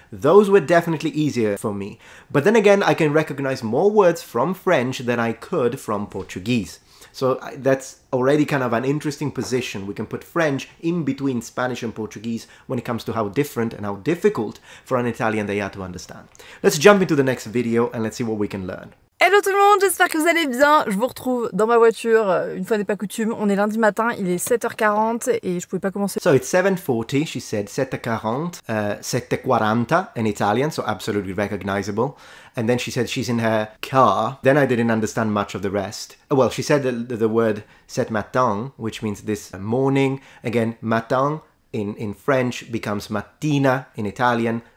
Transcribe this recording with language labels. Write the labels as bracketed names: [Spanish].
[English] Those were definitely easier for me. But then again, I can recognize more words from French than I could from Portuguese. So that's already kind of an interesting position. We can put French in between Spanish and Portuguese when it comes to how different and how difficult for an Italian they are to understand. Let's jump into the next video and let's see what we can learn. [French] Hello tout le monde, j'espère que vous allez bien. Je vous retrouve dans ma voiture, une fois n'est pas coutume. On est lundi matin, il est 7h40 et je pouvais pas commencer. [English] So it's 7:40, she said 7:40, 7:40 in Italian, so absolutely recognizable. And then she said she's in her car. Then I didn't understand much of the rest. Well, she said the word cet matin, which means this morning. Again, matin in French becomes mattina in Italian.